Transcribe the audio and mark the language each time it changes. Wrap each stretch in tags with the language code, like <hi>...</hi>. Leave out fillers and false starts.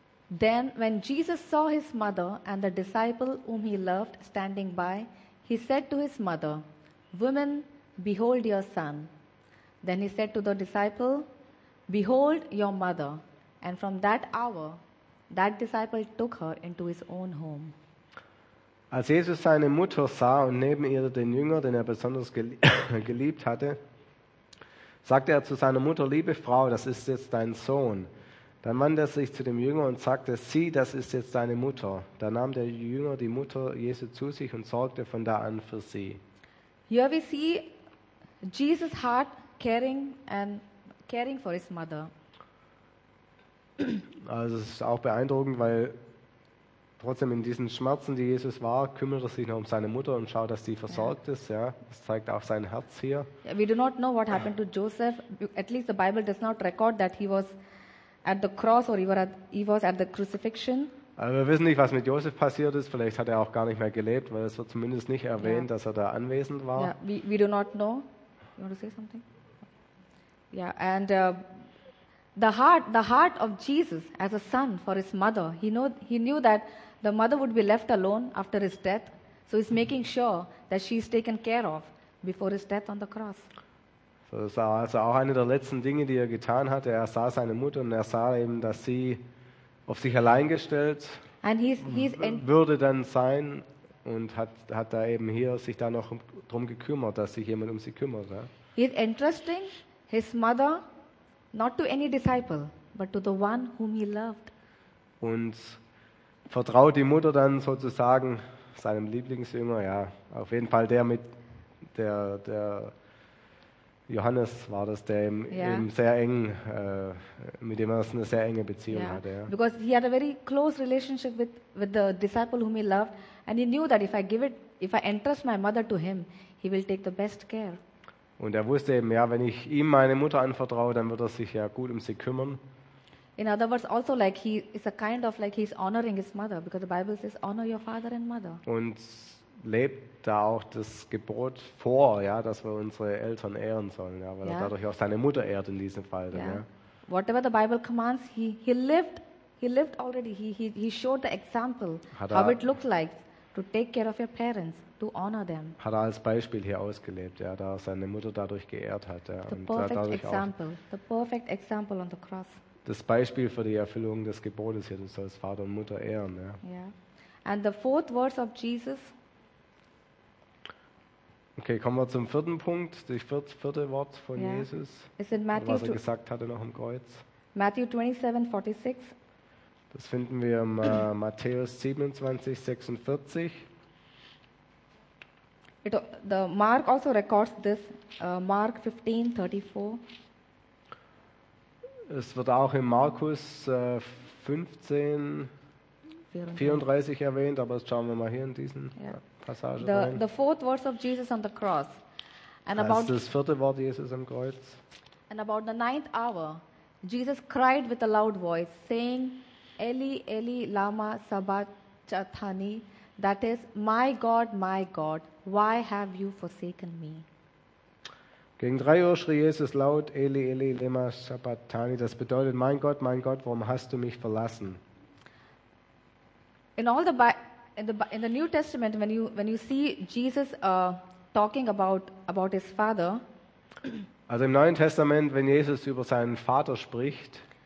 <en>Then when Jesus saw his mother and the disciple whom he loved standing by, he said to his mother, Woman, behold your son. Then he said to the disciple, Behold your mother. And from that hour, that disciple took her into his own home.</en> <de>Als Jesus seine Mutter sah und neben ihr den Jünger, den er besonders geliebt hatte, sagte er zu seiner Mutter, Liebe Frau, das ist jetzt dein Sohn. Dann wandte er sich zu dem Jünger und sagte, Sieh, das ist jetzt deine Mutter. Da nahm der Jünger die Mutter Jesu zu sich und sorgte von da an für sie.</de> <en>Here we see Jesus' heart caring for his mother.</en> <de>Also es ist auch beeindruckend, weil trotzdem in diesen Schmerzen, die Jesus war, kümmert er sich noch um seine Mutter und schaut, dass sie versorgt ist. Ja, das zeigt auch sein Herz hier.</de> <en>We do not know what happened to Joseph. At least the Bible does not record that he was at the cross or he was at the crucifixion.</en> <de>Also wir wissen nicht, was mit Josef passiert ist. Vielleicht hat er auch gar nicht mehr gelebt, weil es wird zumindest nicht erwähnt, dass er da anwesend war.</de> <en>Yeah, we do not know. You want to say something? Yeah, and the heart of Jesus as a son for his mother, he knew that the mother would be left alone after his death, so he's making sure that she is taken care of before his death on the cross.</en> <de>So das war also auch eine der letzten Dinge, die er getan hatte. Er sah seine Mutter und er sah eben, dass sie auf sich allein gestellt</de> <en>and he's</en> <de>würde dann sein und hat da eben hier sich da noch drum gekümmert, dass sich jemand um sie kümmert. Ja.</de> <en>He's interesting. His mother, not to any disciple, but to the one whom he loved.</en> <de>Und vertraut die Mutter dann sozusagen seinem Lieblingsjünger, ja, auf jeden Fall der mit der Johannes war das, der ihm sehr eng, mit dem er eine sehr enge Beziehung hatte. Ja.</de> <en>Because he had a very close relationship with the disciple whom he loved, and he knew that if I entrust my mother to him, he will take the best care.</en> <de>Und er wusste eben, ja, wenn ich ihm meine Mutter anvertraue, dann wird er sich ja gut um sie kümmern.</de> <en>In other words, also like he is a kind of like he's honoring his mother, because the Bible says honor your father and mother.</en> <de>Und lebt da auch das Gebot vor, ja, dass wir unsere Eltern ehren sollen, ja, weil er dadurch auch seine Mutter ehrt in diesem Fall. Dann,</de> <en>Whatever the Bible commands, he lived already. He showed the example how it looked like. To take care of your parents, to honor them.</en> <de>Hat er als Beispiel hier ausgelebt, ja, da er seine Mutter dadurch geehrt hat. Ja,</de> <en>the perfect example on the cross.</en> <de>Das Beispiel für die Erfüllung des Gebotes hier, du sollst Vater und Mutter ehren. Ja.</de> <en>And the fourth verse of Jesus.</en> <de>Okay, kommen wir zum vierten Punkt, das vierte Wort von Jesus, was er gesagt hatte noch am Kreuz.</de> <en>Matthew 27, 46.</en> <de>Das finden wir im Matthäus 27, 46.</de> <en>The Mark also records this, Mark 15, 34.</en> <de>Es wird auch in Markus 15, 34 erwähnt, aber jetzt schauen wir mal hier in diesen Passage</de> <en>the,</en> <de>rein.</de> <en>The fourth words of Jesus on the cross. And about,</en> <de>das ist das vierte Wort Jesus am Kreuz.</de> <en>And about the ninth hour, Jesus cried with a loud voice, saying,</en> <arc>Eli, Eli, lama sabachthani,</arc> <en>that is, my God, why have you forsaken me?</en> <de>Gegen 3 Uhr schrie Jesus laut,</de> <arc>Eli, Eli, lama sabachthani,</arc> <de>das bedeutet, mein Gott, warum hast du mich verlassen?</de> <en>In all the in the New Testament, when you see Jesus talking about his father.</en> <de>Also im Neuen Testament, wenn Jesus über seinen Vater spricht.</de>